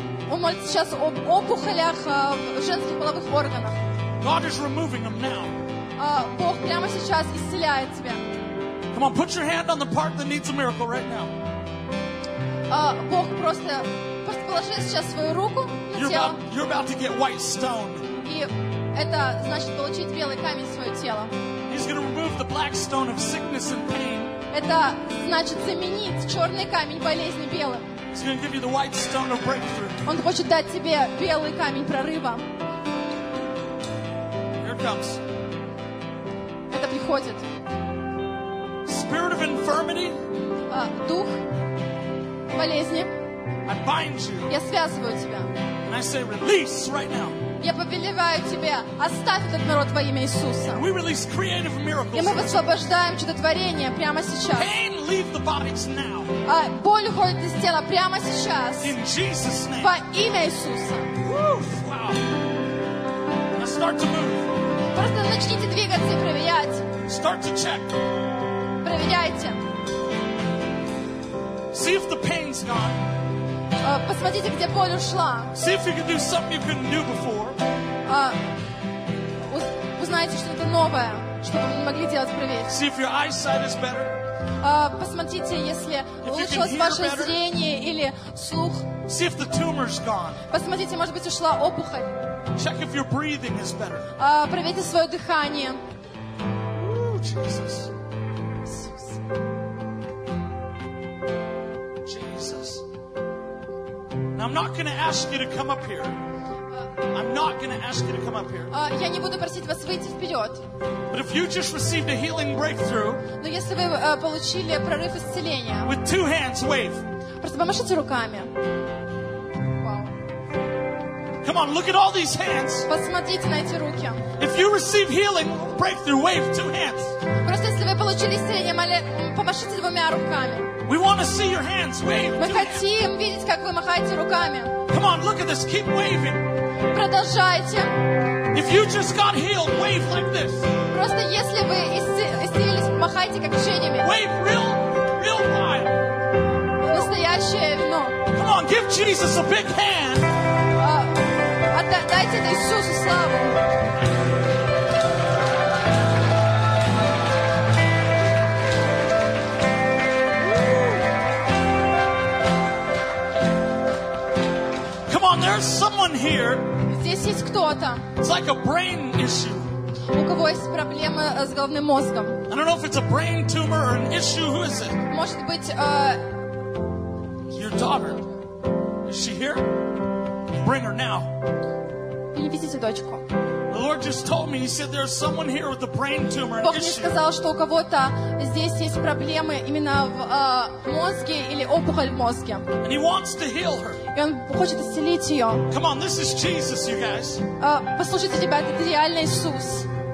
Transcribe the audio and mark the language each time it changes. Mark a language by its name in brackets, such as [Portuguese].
[Russian] Он молит сейчас об опухолях в женских половых органах. [English] God is removing them now. [Russian] Бог прямо сейчас исцеляет тебя. [English] Come on, put your hand on the part that needs a miracle right now. [Russian] Бог просто положи сейчас свою руку на [English] you're [Russian] тело. [English] You're about to get white stone. [Russian] И это значит получить белый камень в свое тело. [English] He's going to remove the black stone of sickness and pain. [Russian] Это значит заменить черный камень болезни белым. [English] He's going to give you the white stone of breakthrough. [Russian] Он хочет дать тебе белый камень прорыва. [English] Here it comes. [Russian] Это приходит. [English] Spirit of infirmity. [Russian] Дух болезни. [English] I bind you. [Russian] Я связываю тебя. [English] And I say release right now. [Russian] Я повелеваю тебе, оставь этот народ во имя Иисуса. [English] We release creative miracles. [Russian] И мы высвобождаем чудотворение прямо сейчас. [English] Pain, leave the bodies now. [Russian] Боль уходит из тела прямо сейчас. [English] In Jesus' name. [Russian] Во имя Иисуса. [English] Woo, wow. Now start to move. [Russian] Просто начните двигаться и проверять. [English] Start to check. [Russian] Проверяйте. [English] See if the pain's gone. [Russian] Посмотрите, где боль ушла. [English] See if you can do something you couldn't do before. [Russian] Узнаете что-то новое, что вы не могли делать прежде. [English] See if your eyesight is better. [Russian] Посмотрите, если улучшилось ваше зрение или слух. [English] See if the tumor's gone. [Russian] Посмотрите, может быть, ушла опухоль. [English] Check if your breathing is better. [Russian] Проверьте свое дыхание. [English] Ooh, Jesus. Jesus. Jesus. not going to ask you to come up here. I'm not going to ask you to come up here. [Russian] Я не буду просить вас выйти вперед. [English] But if you just received a healing breakthrough, [Russian] но если вы получили прорыв исцеления, [English] with two hands, wave. [Russian] Просто помашите руками. [English] Come on, look at all these hands. [Russian] Посмотрите на эти руки. [English] If you receive healing breakthrough, wave two hands. [Russian] Просто если вы получили исцеление, помашите двумя руками. [English] We want to see your hands. Wave. [Russian] Мы хотим видеть, как вы махаете руками. [English] Come on, look at this. Keep waving. [Russian] Продолжайте. [English] If you just got healed, wave like this. [Russian] Просто если вы исцелились, махайте как учениями. [English] Wave real, real wild. [Russian] Настоящее вино. [English] Come on, give Jesus a big hand. [Russian] Дайте Иисусу славу. [English] Come on, there's someone here. [Russian] Здесь есть кто-то. [English] It's like a brain issue. [Russian] У кого есть проблема с головным мозгом? [English] I don't know if it's a brain tumor or an issue. Who is it? [Russian] Может быть, [English] your daughter. Is she here? Bring her now. [Russian] Видите дочку. [English] The Lord just told me. He said there's someone here with a brain tumor. [Russian] Бог мне сказал, что у кого-то здесь есть проблемы именно в мозге или опухоль в мозге. [English] And he wants to heal her. [Russian] И он хочет исцелить ее. [English] Come on, this is Jesus, you guys. [Russian] Послушайте, ребята, это реально Иисус.